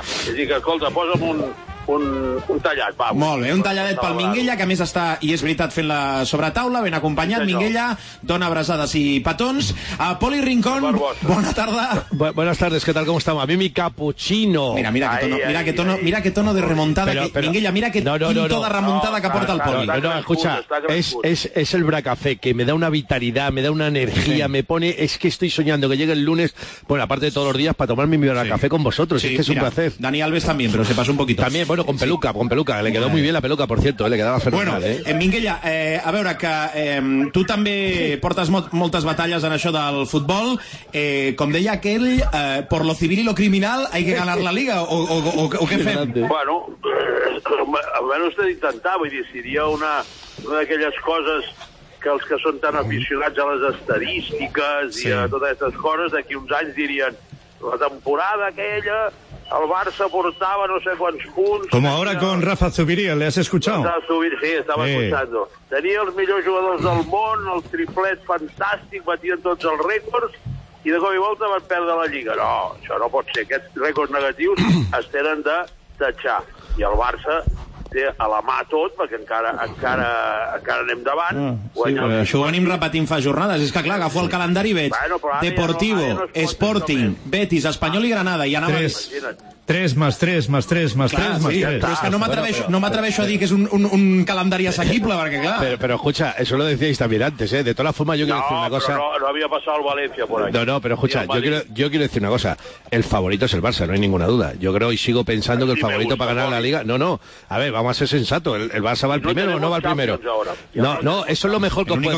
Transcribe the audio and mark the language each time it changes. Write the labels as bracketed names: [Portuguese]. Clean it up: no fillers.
[Catalan] És a dir, que escolta, posa'm un tallat, va. Molt bé, un talladet pel Minguella, que a més està, i és veritat, fent la sobretaula, ben acompanyat. Minguella, dona abraçades i petons. A Poli Rincón, bona tarda. [Spanish] Buenas tardes, ¿qué tal, cómo estamos? A mí mi cappuccino. Mira, mira, mira qué tono de remontada. Minguella, mira qué quinto de remontada que aporta el Poli. No, no, escucha, es el Bracafé, que me da una vitalidad, me da una energía, me pone... Es que estoy soñando que llegue el lunes, bueno, aparte de todos los días, para tomarme mi Bracafé con vosotros. Es que es un placer. Dani Alves también, pero se pasó un poquito. También. Bueno, con peluca. Le quedó muy bien la peluca, por cierto. Le quedaba fenomenal, [Catalan] bueno, Minguella, a veure, que tu també portes moltes batalles en això del futbol. Com deia aquell, [Spanish] por lo civil y lo criminal hay que ganar la Liga. [Catalan] O què fem? Bueno, almenys t'he d'intentar. Vull dir, seria una d'aquelles coses que els que són tan aficionats a les estadístiques i a totes aquestes coses, d'aquí uns anys dirien, la temporada aquella... El Barça portava no sé quants punts... [Spanish] Como ahora con Rafa Zubiria, ¿le has escuchado? Sí, estaba escuchando. [Catalan] Tenia els millors jugadors del món, el triplet fantàstic, batien tots els rècords, i de cop i volta van perdre la Lliga. No, això no pot ser. Aquests rècords negatius es tenen de tachar. I el Barça té a la mà tot, perquè encara anem davant. Això ho anem repetint fa jornades. És que, clar, agafo el calendari i veig Deportivo, Sporting, Betis, Espanyol i Granada. I anava... [Spanish] 3 más 3 más 3 más 3 más 3. [Catalan] Es que no m'atreveixo a dir que és un calendari assequible, perquè clar... [Spanish] Però, escucha, eso lo decíais también antes, ¿eh? De toda la forma, yo quiero decir una cosa... No había pasado el Valencia por ahí. No, pero escucha, yo quiero decir una cosa. El favorito es el Barça, no hay ninguna duda. Yo creo y sigo pensando que el favorito para ganar la Liga... No. A ver, vamos a ser sensato. ¿El Barça va al primero o no va al primero? No, eso es lo mejor que os puede pasar.